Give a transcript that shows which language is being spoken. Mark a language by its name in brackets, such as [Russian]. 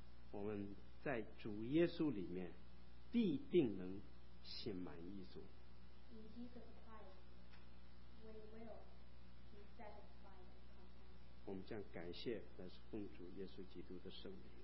[Chinese] 我们在主耶稣里面必定能心满意足。 [English] In Jesus Christ, we will be satisfied. [Chinese] 我们将感谢乃是奉主耶稣基督的圣名。